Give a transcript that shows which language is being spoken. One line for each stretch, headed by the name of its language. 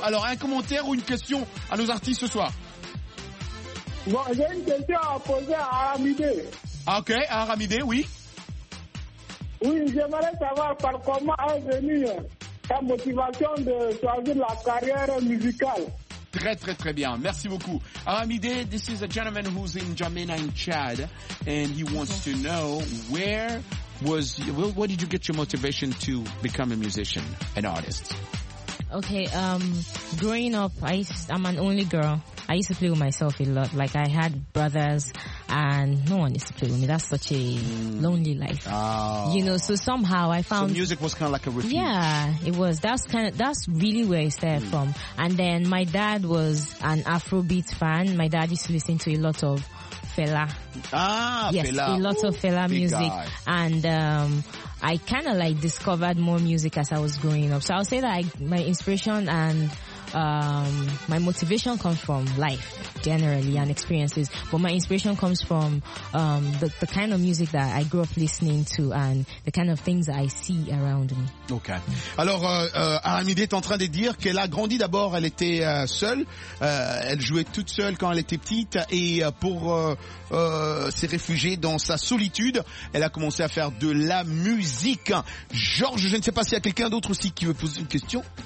French: Alors, un commentaire ou une question à nos artistes ce soir? Bon, j'ai une question à poser à Aramidé. Ah, ok. À Aramidé, oui. Oui, j'aimerais savoir par comment est venue ta motivation de choisir la carrière musicale. Très, très, très bien. Merci beaucoup.
English: Aramide, this is a gentleman who's in Jamena in Chad, and he wants to know where did you get your motivation to become a musician, an artist? Okay, growing up, I'm an only girl. I used to play with myself a lot. Like, I had brothers, and no one used to play with me. That's such a lonely life. Oh. You know, so somehow I found... So music was kind of like a refuge. Yeah, it was. That's really where it started from. And then my dad was an Afrobeat fan. My dad used to listen to a lot of Fela. Ah, yes, Fela. Yes, a lot of Fela music. Guy. And I kind of like discovered more music as I was growing up. So I'll say that my inspiration and my motivation comes from life generally and experiences, but my inspiration comes from the kind of music that I grew up listening to and the kind of things that I see around me. Okay.
French: Alors Aramide est en train de dire qu'elle a grandi d'abord, elle était seule, elle jouait toute seule quand elle était petite, et pour s'est réfugiée dans sa solitude, elle a commencé à faire de la musique. Georges, je ne sais pas s'il y a quelqu'un d'autre aussi qui veut poser une question.